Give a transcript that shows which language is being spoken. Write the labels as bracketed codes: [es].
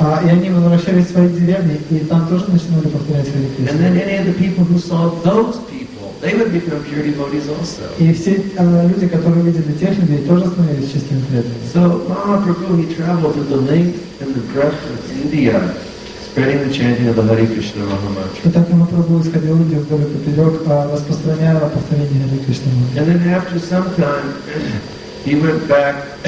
[ru] И они возвращались в свои деревни и там тоже начинали повторять Hare Krishna. [en] And then any of the people who saw those people, they would become pure devotees also. [ru] И все люди, которые видели тех людей, тоже становились чистыми преданными. [en] So Mahaprabhu, he traveled to the length and the breadth of India, spreading the chanting of the Hare Krishna Mahamantra. And then after some time, he went back.